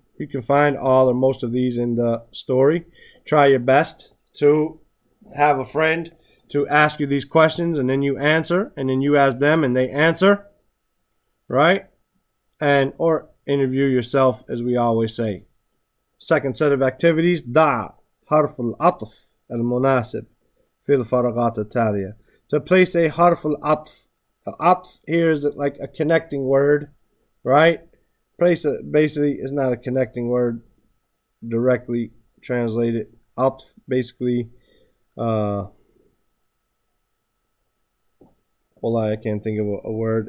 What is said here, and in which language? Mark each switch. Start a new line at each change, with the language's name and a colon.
English: You can find all or most of these in the story. Try your best to have a friend to ask you these questions, and then you answer, and then you ask them and they answer, right? And or interview yourself, as we always say. Second set of activities.
Arabic: ضع حرف العطف المناسب في الفراغات التالية.
English: To place a حرف العطف. العطف here is like a connecting word, right? Place a, basically is not a connecting word directly translated. عطف basically, I can't think of a word.